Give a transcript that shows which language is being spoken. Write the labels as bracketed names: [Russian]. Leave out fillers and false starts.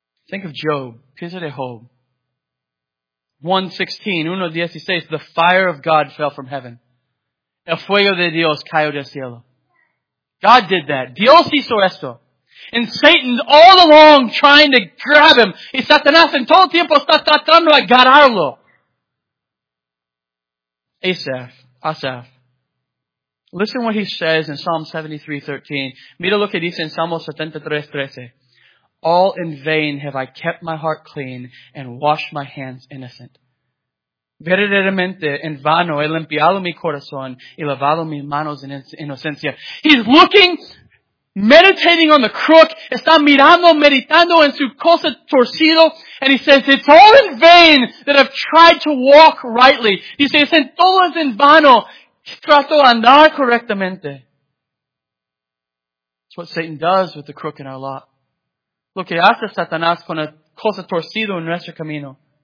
[English] Think of Job. [Spanish] Piensa de Job. [English] 1:16, the fire of God fell from heaven. [Spanish] El fuego de Dios cayó del cielo. [English] God did that. [Spanish] Dios hizo esto. [English] And Satan's all along trying to grab him. [Spanish] Y Satanás en todo tiempo está tratando de agarrarlo. [English] Asaph. Listen what he says in Psalm 73:13. [Spanish] Mira lo que dice en Salmo 73:13. [English] All in vain have I kept my heart clean and washed my hands innocent. [Spanish] Verdaderamente, en vano he limpiado mi corazón y lavado mis manos en inocencia. [English] He's looking, meditating on the crook, [Spanish] está mirando, meditando en su cosa torcido, [English] and he says, it's all in vain that I've tried to walk rightly. He says, [Spanish] en todo es en vano, trato de andar correctamente. [English] That's what Satan does with the crook in our lot. [Spanish] Lo que hace Satanás con la cosa torcida en nuestro camino.